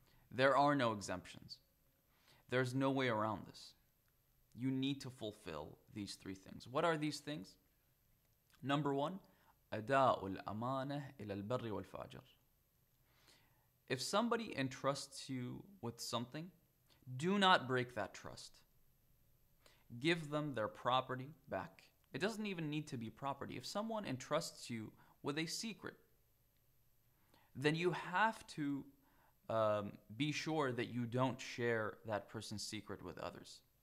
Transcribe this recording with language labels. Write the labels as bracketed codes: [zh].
[en] There are no exemptions. There's no way around this. You need to fulfill these three things. What are these things? Number one, [ar] أَدَاءُ الْأَمَانَةِ إِلَى الْبَرِّ وَالْفَاجِرِ. [en] If somebody entrusts you with something, do not break that trust. Give them their property back. It doesn't even need to be property. If someone entrusts you with a secret, then you have to be sure that you don't share that person's secret with others.